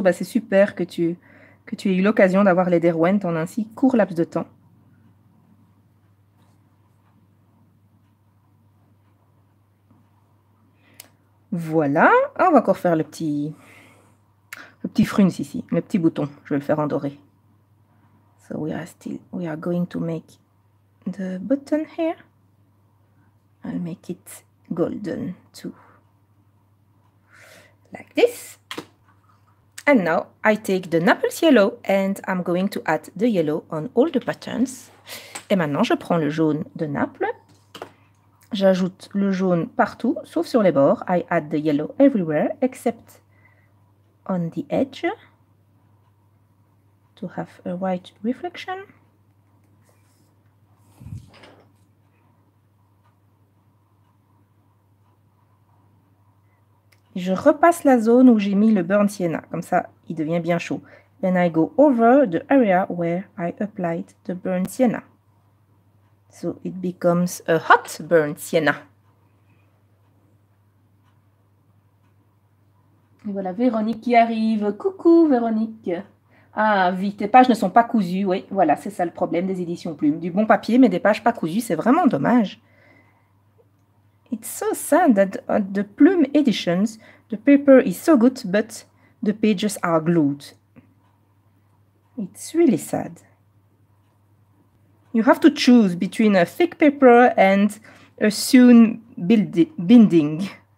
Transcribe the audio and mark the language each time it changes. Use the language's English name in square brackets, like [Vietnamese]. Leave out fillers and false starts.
[French] Bah, c'est super que tu aies eu l'occasion d'avoir les Derwent en un si court laps de temps. Voilà, on va encore faire le petit frunz ici, le petit bouton. Je vais le faire en doré. [English] So we are going to make the button here. I'll make it golden too. Like this. And now I take the Naples yellow and I'm going to add the yellow on all the patterns. [French] Et maintenant, je prends le jaune de Naples. J'ajoute le jaune partout, sauf sur les bords. [English] I add the yellow everywhere, except on the edge, to have a white reflection. [French] Je repasse la zone où j'ai mis le burnt sienna, comme ça, il devient bien chaud. [English] Then I go over the area where I applied the burnt sienna. So it becomes a hot burnt sienna. [French] Et voilà Véronique qui arrive. Coucou Véronique. Ah, vite, tes pages ne sont pas cousues. Oui, voilà, c'est ça le problème des éditions plumes. Du bon papier, mais des pages pas cousues, c'est vraiment dommage. [English] It's so sad that the plume editions, the paper is so good, but the pages are glued. It's really sad. You have to choose between a thick paper and a soon binding.